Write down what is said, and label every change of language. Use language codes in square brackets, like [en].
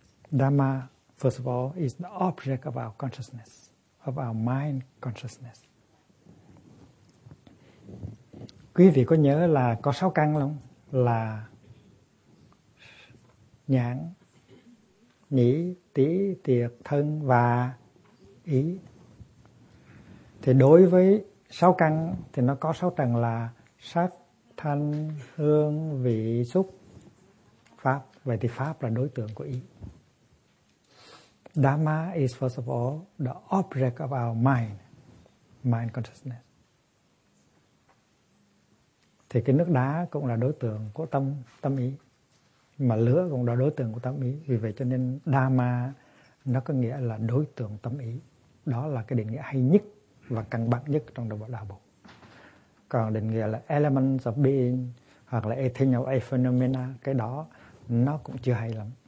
[en] Dharma, first of all, is the object of our consciousness, of our mind consciousness. [vi] Quý vị có nhớ là có 6 căn không? Là nhãn, nhĩ, tỷ, tiệt, thân và ý. Thì đối với 6 căn thì nó có 6 tầng là sắc, thanh, hương, vị, xúc, pháp. Vậy thì pháp là đối tượng của ý. [en] Dharma is first of all the object of our mind, mind consciousness. [vi] Thì cái nước đá cũng là đối tượng của tâm, tâm ý. Mà lửa cũng là đối tượng của tâm ý. Vì vậy cho nên Dharma nó có nghĩa là đối tượng tâm ý. Đó là cái định nghĩa hay nhất và căn bản nhất trong Đạo Bụt. Còn định nghĩa là [en] elements of being [vi] hoặc là [en] a thing or a phenomena, [vi] cái đó nó cũng chưa hay lắm.